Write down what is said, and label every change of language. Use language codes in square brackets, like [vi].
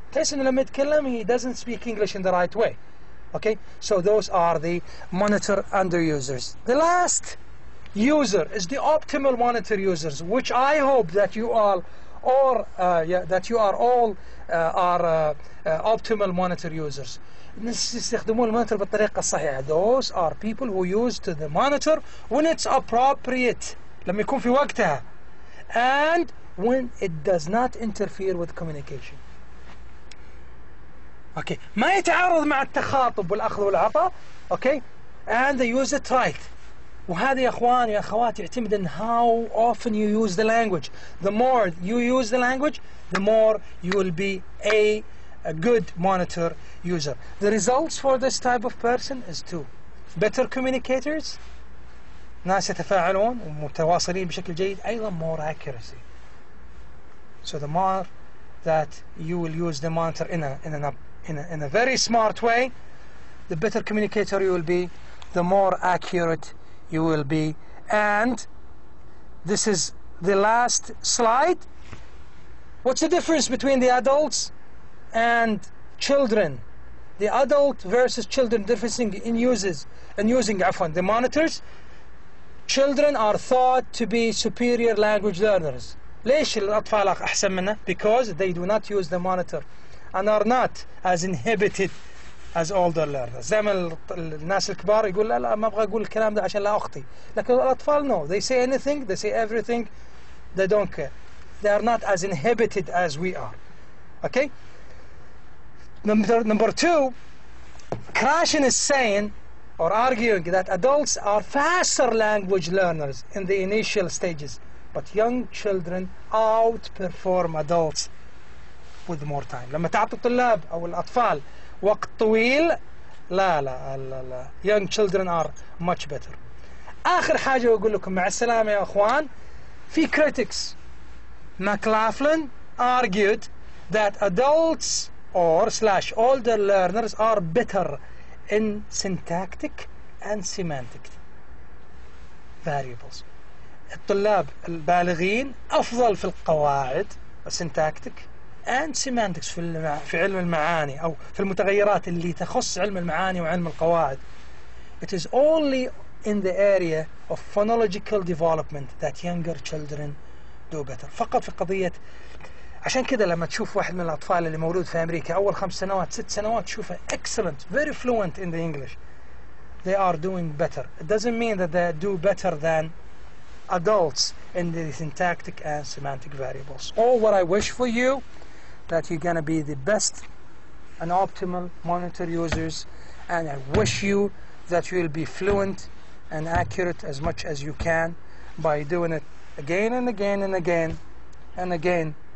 [ar] تحسن لما يتكلم, [en] he doesn't speak English in the right way. Okay, so those are the monitor under users. The last user is the optimal monitor users, which I hope that you all or that you are all optimal monitor users. [ar] يستخدمون المونيتور بالطريقة الصحيحة. [en] Those are people who use the monitor when it's appropriate. [ar] لما يكون في وقتها [en] and when it does not interfere with communication. Okay. [ar] ما يتعارض مع التخاطب والأخذ والعطاء. [en] Okay. And they use it right. [ar] وهذا يا أخوان يا أخوات يعتمد [en] on how often you use the language. The more you use the language, the more you will be a good monitor user. The results for this type of person is two. Better communicators. [ar] ناس يتفاعلون ومتواصلين بشكل جيد أيضا [en] more accuracy. So the more that you will use the monitor in a very smart way, the better communicator you will be, the more accurate you will be. And this is the last slide. What's the difference between the adults and children? The adult versus children difference in using the monitors. Children are thought to be superior language learners. [ar] ليش الأطفال أحسن منا? [en] Because they do not use the monitor and are not as inhibited as older learners. [ar] زي ما الناس الكبار يقول لا ما أبغى أقول الكلام ده عشان لا أخطي. لكن الأطفال no. [en] They say anything, they say everything, they don't care. They are not as inhibited as we are. Okay? Number two, Krashen is saying or arguing that adults are faster language learners in the initial stages, but young children outperform adults with more time. [ar] لما تعطي الطلاب أو الأطفال وقت طويل, لا, [en] young children are much better. [ar] آخر حاجة أقول لكم مع السلامة يا أخوان, في critics. [en] McLaughlin argued that adults or slash older learners are better in syntactic and semantic variables. [ar] الطلاب البالغين أفضل في القواعد [en] syntactic and semantics [ar] في علم المعاني أو في المتغيرات اللي تخص علم المعاني وعلم القواعد. [en] It is only in the area of phonological development that younger children do better. [ar] فقط في قضية, عشان كده لما تشوف واحد من الأطفال اللي مولود في أمريكا أول 5 سنوات 6 سنوات تشوفه [en] excellent, very fluent in the English. They are doing better. It doesn't mean that they do better than adults in the syntactic and semantic variables. All what I wish for you that you're gonna be the best and optimal monitor users and I wish you that you will be fluent and accurate as much as you can by doing it again and again and again and again.